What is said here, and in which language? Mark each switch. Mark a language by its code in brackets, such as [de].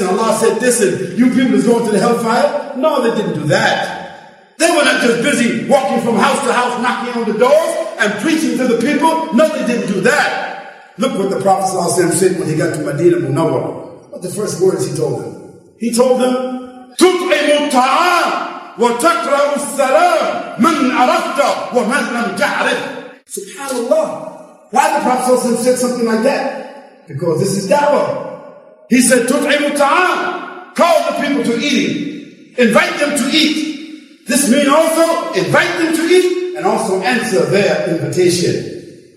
[en] And Allah said this, and you people is going to the hellfire. No, they didn't do that. They were not just busy walking from house to house, knocking on the doors and preaching to the people. No, they didn't do that. Look what the Prophet said when he got to Medina Munawwar. What the first words he told them? [ar] He told them, تُطْعِمُ الطَّعَامُ وَتَقْرَأُ السَّلَامُ مَنْ أَرَفْتَ وَمَنْ لَمْ تَعْرِفُ. [en] SubhanAllah. Why the Prophet said something like that? Because this is da'wah. He said, [ar] تُطْعِمُ الطَّعَامُ. [en] Call the people to eat. Invite them to eat. This means also invite them to eat and also answer their invitation.